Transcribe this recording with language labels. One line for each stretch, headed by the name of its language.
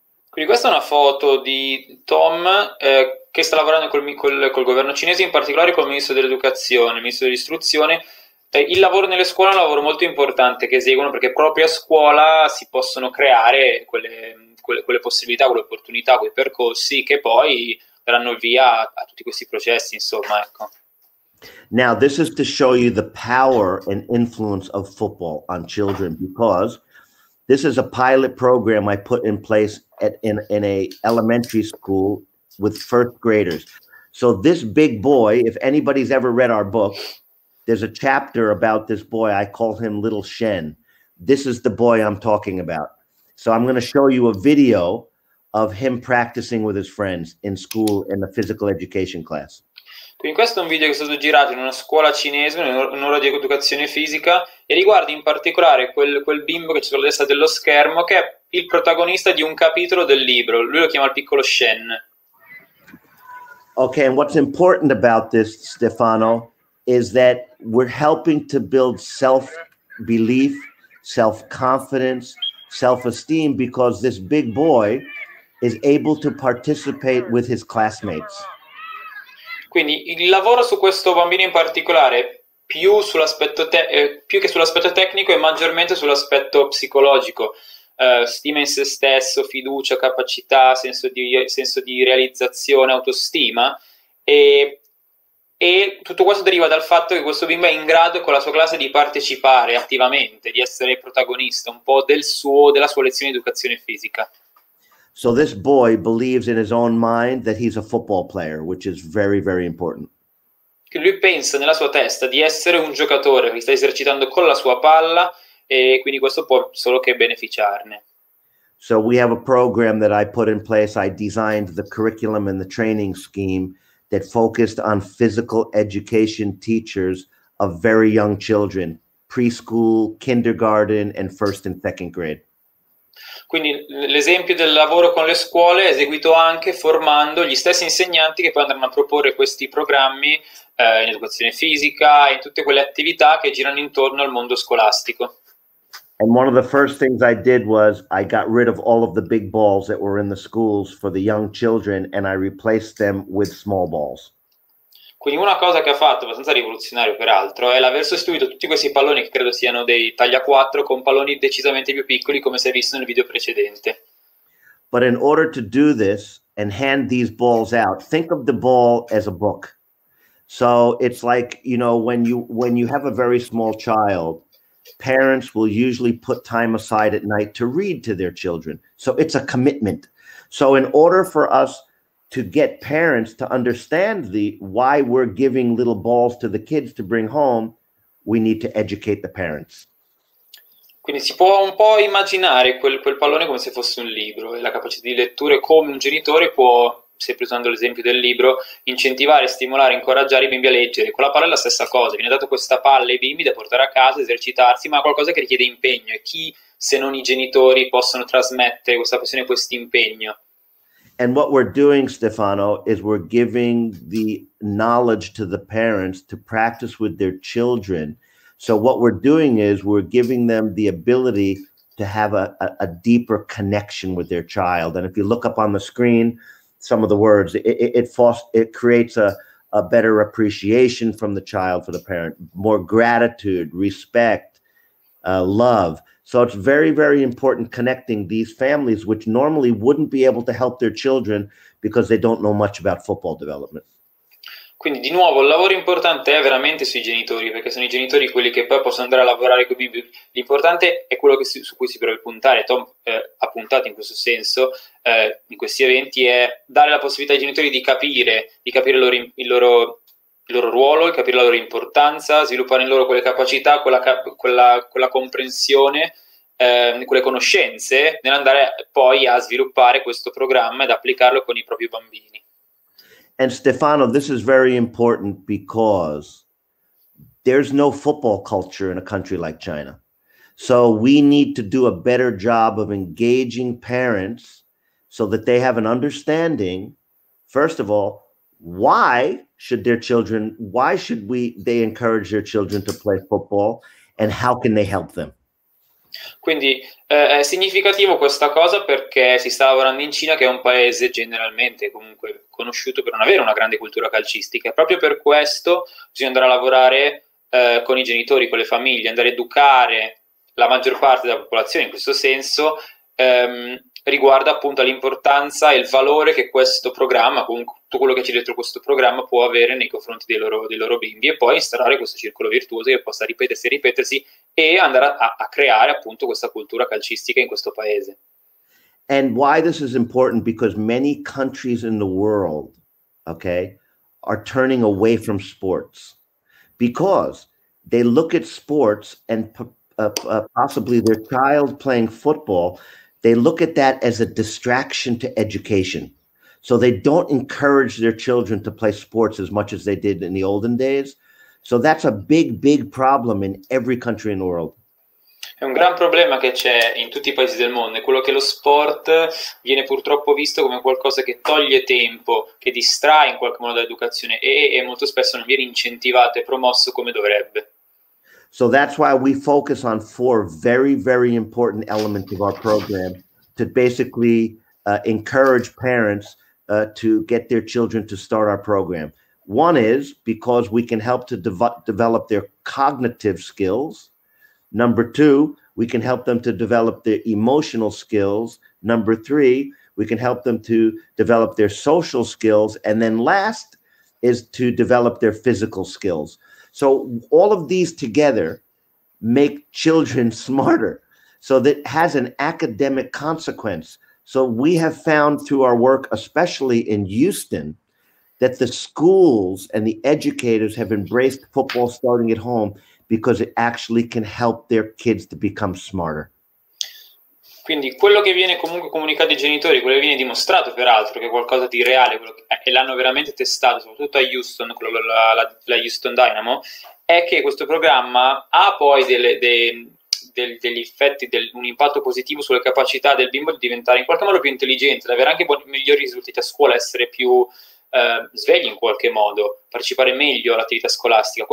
Italian: Quindi questa è una foto di Tom che sta lavorando col governo cinese, in particolare col ministro dell'educazione, ministro dell'istruzione. Il lavoro nelle scuole è un lavoro molto importante che eseguono, perché proprio a scuola si possono creare quelle possibilità, quelle opportunità, quei percorsi che poi daranno via a tutti questi processi, insomma, ecco.
English: Now, this is to show you the power and influence of football on children, because this is a pilot program I put in place in a elementary school with first graders. So this big boy, if anybody's ever read our book, there's a chapter about this boy. I call him Little Shen. This is the boy I'm talking about. So I'm going to show you a video of him practicing with his friends in school in the physical education class.
Italian: Quindi questo è un video che è stato girato in una scuola cinese, in un'ora di educazione fisica, e riguarda in particolare quel bimbo che c'è sulla destra dello schermo, che è il protagonista di un capitolo del libro. Lui lo chiama il piccolo Shen.
English: Okay, and what's important about this, Stefano, is that we're helping to build self-belief, self-confidence, self-esteem, because this big boy is able to participate with his classmates.
Italian: Quindi il lavoro su questo bambino in particolare, più sull'aspetto più che sull'aspetto tecnico, è maggiormente sull'aspetto psicologico. Stima in se stesso, fiducia, capacità, senso di realizzazione, autostima. E tutto questo deriva dal fatto che questo bimbo è in grado con la sua classe di partecipare attivamente, di essere protagonista un po' della sua lezione di educazione fisica.
English: So this boy believes in his own mind that he's a football player, which is very, very important.
Italian: Che lui pensa nella sua testa di essere un giocatore, che sta esercitando con la sua palla, e quindi questo può solo che beneficiarne.
English: So we have a program that I put in place. I designed the curriculum and the training scheme that focused on physical education teachers of very young children, preschool, kindergarten, and first and second grade.
Italian: Quindi l'esempio del lavoro con le scuole è eseguito anche formando gli stessi insegnanti che poi andranno a proporre questi programmi in educazione fisica e in tutte quelle attività che girano intorno al mondo scolastico.
English: And one of the first things I did was I got rid of all of the big balls that were in the schools for the young children and I replaced them with small balls.
Italian: Quindi una cosa che ha fatto, abbastanza rivoluzionario peraltro, è l'aver sostituito tutti questi palloni, che credo siano dei taglia 4, con palloni decisamente più piccoli, come si è visto nel video precedente.
English: But in order to do this and hand these balls out, think of the ball as a book. So it's like, you know, when you have a very small child, parents will usually put time aside at night to read to their children. So it's a commitment. So in order for us to get parents to understand why we're giving little balls to the kids to bring home, we need to educate the parents.
Italian: Quindi si può un po' immaginare quel pallone come se fosse un libro, e la capacità di lettura, come un genitore può sempre usando l'esempio del libro, incentivare, stimolare, incoraggiare i bimbi a leggere. Con la parola è la stessa cosa, viene dato questa palla ai bimbi da portare a casa, esercitarsi, ma è qualcosa che richiede impegno. E chi, se non i genitori, possono trasmettere questa passione, questo impegno?
English: And what we're doing, Stefano, is we're giving the knowledge to the parents to practice with their children. So what we're doing is we're giving them the ability to have a deeper connection with their child. And if you look up on the screen, some of the words, it creates a better appreciation from the child for the parent, more gratitude, respect, love. So it's very, very important connecting these families, which normally wouldn't be able to help their children because they don't know much about football development.
Italian: Quindi, di nuovo, il lavoro importante è veramente sui genitori, perché sono i genitori quelli che poi possono andare a lavorare con i bimbi. L'importante è quello che su cui si deve puntare. Tom ha puntato in questo senso, in questi eventi, è dare la possibilità ai genitori di capire il loro ruolo, di capire la loro importanza, sviluppare in loro quelle capacità, quella comprensione, quelle conoscenze, nell'andare poi a sviluppare questo programma ed applicarlo con i propri bambini.
English: And Stefano, this is very important because there's no football culture in a country like China. So we need to do a better job of engaging parents so that they have an understanding, first of all, why should they encourage their children to play football and how can they help them?
Italian: Quindi è significativo questa cosa perché si sta lavorando in Cina, che è un paese generalmente comunque conosciuto per non avere una grande cultura calcistica. Proprio per questo bisogna andare a lavorare con i genitori, con le famiglie, andare a educare la maggior parte della popolazione in questo senso, riguardo appunto all'importanza e il valore che questo programma, comunque tutto quello che c'è dietro questo programma, può avere nei confronti dei loro bimbi, e poi instaurare questo circolo virtuoso che possa ripetersi e ripetersi e andare a creare appunto questa cultura calcistica in questo paese.
English: And why this is important? Because many countries in the world, okay, are turning away from sports because they look at sports and possibly their child playing football, they look at that as a distraction to education. So they don't encourage their children to play sports as much as they did in the olden days. So that's a big, big problem in every country in the world.
Italian: È un gran problema che c'è in tutti i paesi del mondo, è quello che lo sport viene purtroppo visto come qualcosa che toglie tempo, che distrae in qualche modo l'educazione e molto spesso non viene incentivato e promosso come dovrebbe.
English: So that's why we focus on four very, very important elements of our program to basically encourage parents to get their children to start our program. One is because we can help to develop their cognitive skills. Number two, we can help them to develop their emotional skills. Number three, we can help them to develop their social skills. And then last is to develop their physical skills. So all of these together make children smarter. So that has an academic consequence. So we have found through our work, especially in Houston, that the schools and the educators have embraced football starting at home because it actually can help their kids to become smarter.
Italian: Quindi quello che viene comunque comunicato ai genitori, quello che viene dimostrato peraltro, che è qualcosa di reale, quello che, e l'hanno veramente testato, soprattutto a Houston, la Houston Dynamo, è che questo programma ha poi degli effetti, un impatto positivo sulle capacità del bimbo di diventare in qualche modo più intelligente, di avere anche migliori risultati a scuola, essere più svegli in qualche modo, partecipare meglio all'attività scolastica.